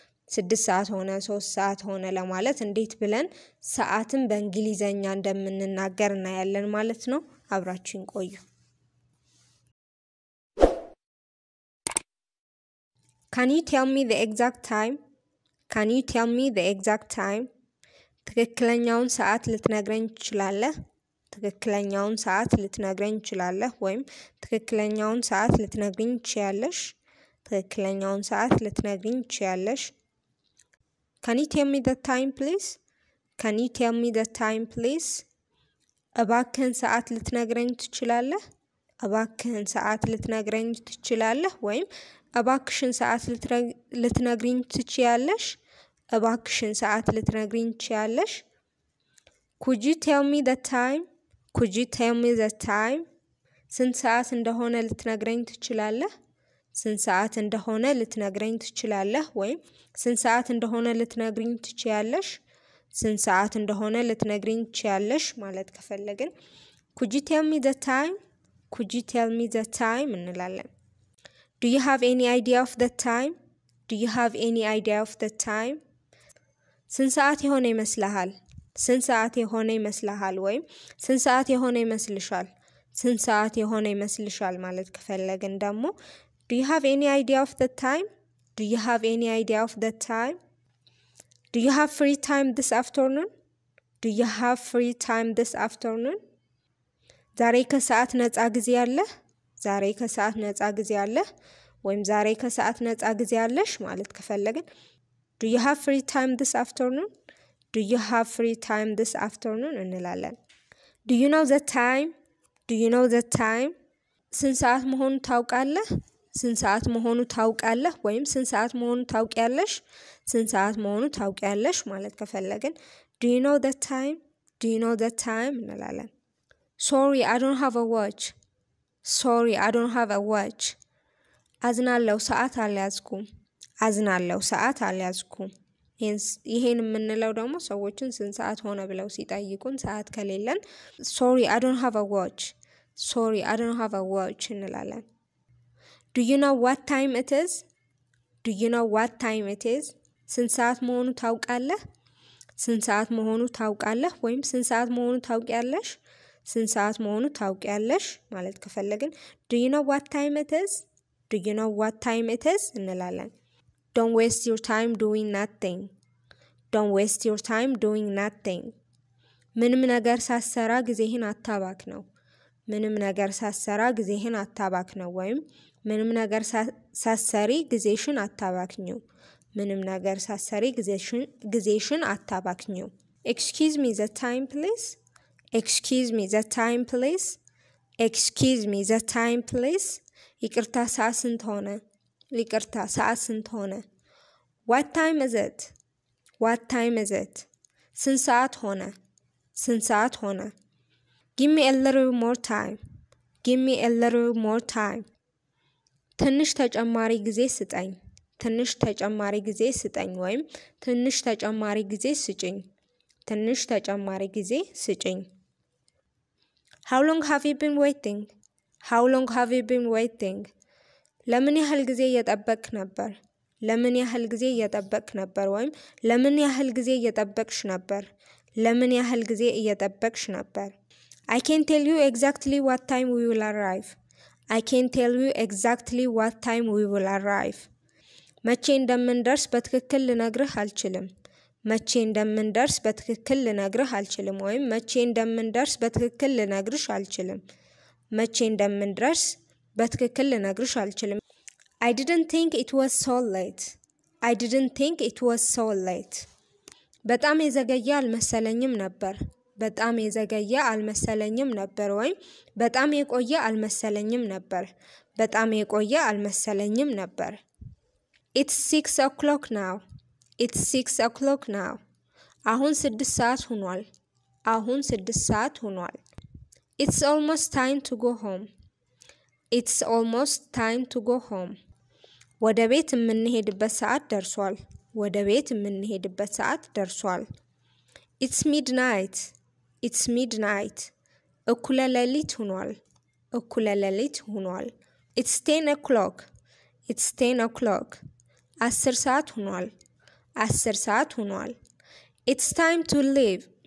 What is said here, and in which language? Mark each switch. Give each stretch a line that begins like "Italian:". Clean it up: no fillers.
Amharic: 6 ሰዓት ሆነ 3 ሰዓት ሆነ ለማለት እንዴት ብለን ሰዓትን በእንግሊዘኛ እንደምንናገር እና ያለን ማለት ነው አብራችሁን ቆዩ
English: Can you tell me the exact time? Can you tell me the exact time?
Amharic: ትክክለኛውን ሰዓት ልትነግረኝ ትችላለህ? ትክክለኛውን ሰዓት ልትነግረኝ ትችላለህ? ወይም ትክክለኛውን ሰዓት ልትነግረኝ ትችላለሽ? ትክክለኛውን ሰዓት ልትነግረኝ ትችላለሽ?
English: Can you tell me the time please? Can you tell me the time please?
Amharic: እባክህን ሰዓት ልትነግረኝ ትችላለህ? እባክህን ሰዓት ልትነግረኝ ትችላለህ? ወይም እባክሽን ሰዓት ልትነግሪኝ ትችያለሽ? እባክሽን ሰዓት ልትነግሪኝ ትችያለሽ?
English: Could you tell me the time? Could you tell me the time?
Amharic: ስንት ሰዓት እንደሆነ ልትነግረኝ ትችላለህ? ስንት ሰዓት እንደሆነ ልትነግረኝ ትችላለህ? ወይም ስንት ሰዓት እንደሆነ ልትነግሪኝ ትችያለሽ? ስንት ሰዓት እንደሆነ ልትነግሪኝ ትችያለሽ ማለት ከፈለግን
English: Could you tell me the time? Could you tell me the time?
Amharic: እንላለን
English: Do you have any idea of the time? Do you have any idea of the time?
Amharic: ስንት ሰዓት የሆነ ይመስልሃል? ስንት ሰዓት የሆነ ይመስልሃል? ወይም ስንት ሰዓት የሆነ ይመስልሻል? ስንት ሰዓት የሆነ ይመስልሻል ማለት ከፈለግን ደግሞ
English: Do you have any idea of the time? Do you have any idea of the time? Do you have free time this afternoon? Do you have free time this afternoon?
Amharic: ዛሬ ከሰዓት ነጻ ጊዜ አለ? ዛሬ ከሰዓት ነጻ ጊዜ አለ? ወይም ዛሬ ከሰዓት ነጻ ጊዜ አለሽ ማለት ከፈለግን
English: Do you have free time this afternoon? Do you have free time this afternoon?
Amharic: እንላለን.
English: Do you know the time? Do you know the time?
Amharic: ስንት ሰዓት መሆኑ ታውቃለህ? ስንት ሰዓት መሆኑ ታውቃለህ? ወይም ስንት ሰዓት መሆኑ ታውቂያለሽ? ስንት ሰዓት መሆኑ ታውቂያለሽ ማለት ከፈለግን
English: Do you know the time? Do you know the time?
Amharic: እንላለን.
English: Sorry, I don't have a watch. Sorry, I don't have a watch.
Amharic: አዝናለሁ ሰዓት አልያዝኩም። አዝናለሁ ሰዓት አልያዝኩም። ይሄን የምንለው ደግሞ ሰዎችን ስንት ሰዓት ሆነ ብለው ሲጠይቁን ሰዓት ከሌለን
English: Sorry, I don't have a watch. Sorry, I don't have a watch
Amharic: እንላለን።
English: Do you know what time it is? Do you know what time it is?
Amharic: ስንት ሰዓት መሆኑ ታውቃለህ? ስንት ሰዓት መሆኑ ታውቃለህ? ወይም ስንት ሰዓት መሆኑ ታውቂያለሽ? ስንት ሰዓት መሆኑ ታውቂያለሽ ማለት ከፈለግን
English: Do you know what time it is? Do you know what time it is?
Amharic: እንላለን.
English: Don't waste your time doing nothing. Don't waste your time doing nothing.
Amharic: ምንም ነገር ሳሰራ ጊዜህን አታባክ ነው. ምንም ነገር ሳሰራ ጊዜህን አታባክ ነው ወይም ምንም ነገር ሳሰሪ ጊዜሽን አታባክኙ. ምንም ነገር ሳሰሪ ጊዜሽን አታባክኙ.
English: Excuse me, the time please? Excuse me, the time please? Excuse me, the time please?
Amharic: ይቅርታ ሰዓት ስንት ሆነ? ይቅርታ ሰዓት ስንት ሆነ?
English: What time is it?
Amharic: What time is it? ስንት ሰዓት ሆነ? ስንት ሰዓት ሆነ?
English: Give me a little more time. Give me a little more time.
Amharic: ትንሽ ተጨማሪ ጊዜ ስጠኝ። ትንሽ ተጨማሪ ጊዜ ስጠኝ ወይም ትንሽ ተጨማሪ ጊዜ ስጭኝ። ትንሽ ተጨማሪ ጊዜ ስጭኝ።
English: How long have you been waiting? How long have you been waiting?
Amharic: ለምን ያህል ጊዜ እየጠበቅክ ነበር? ለምን ያህል ጊዜ እየጠበቅክ ነበር ወይም ለምን ያህል ጊዜ እየጠበቅሽ ነበር? ለምን ያህል ጊዜ እየጠበቅሽ ነበር?
English: I can't tell you exactly what time we will arrive. I can't tell you exactly what time we will arrive.
Amharic: መቼ እንደምንደርስ በትክክል ልነግርህ አልችልም። መቼ እንደምንደርስ በትክክል ልነግርህ አልችልም ወይም መቼ እንደምንደርስ በትክክል ልነግርሽ አልችልም መቼ እንደምንደርስ በትክክል ልነግርሽ አልችልም
English: I didn't think it was so late
Amharic: I didn't think it was so late በጣም የዘገየ አልመሰለኝም ነበር በጣም የዘገየ አልመሰለኝም ነበር ወይም በጣም የቆየ አልመሰለኝም ነበር በጣም የቆየ አልመሰለኝም ነበር
English: It's 6 o'clock now It's 6 o'clock now.
Amharic: Ahun 6 saat hunwal. Ahun 6 saat hunwal.
English: It's almost time to go home. It's almost time to go home.
Amharic: ወደ ቤት የምንሄድበት ሰዓት ደርሷል። ወደ ቤት የምንሄድበት ሰዓት ደርሷል።
English: It's midnight. It's midnight.
Amharic: እኩለ ሌሊት ሆኗል። እኩለ ሌሊት ሆኗል።
English: It's 10 o'clock. It's 10 o'clock.
Amharic: 10 ሰዓት ሆኗል። 10 ሰዓት ሆኗል።
English: It's time to leave.